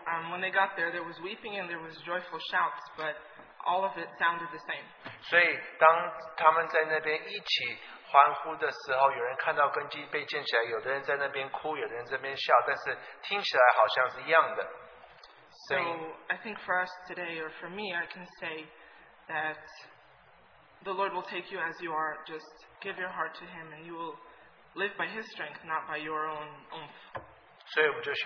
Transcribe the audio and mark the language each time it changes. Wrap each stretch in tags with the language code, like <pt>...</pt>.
<en>when they got there, there was weeping and there was joyful shouts, but all of it sounded the same.</en> <zh>所以当他们在那边一起欢呼的时候，有人看到根基被建起来，有的人在那边哭，有的人在那边笑，但是听起来好像是一样的。</zh> <en>So I think for us today, or for me, I can say that the Lord will take you as you are. Just give your heart to Him, and you will live by His strength, not by your own oomph.</en>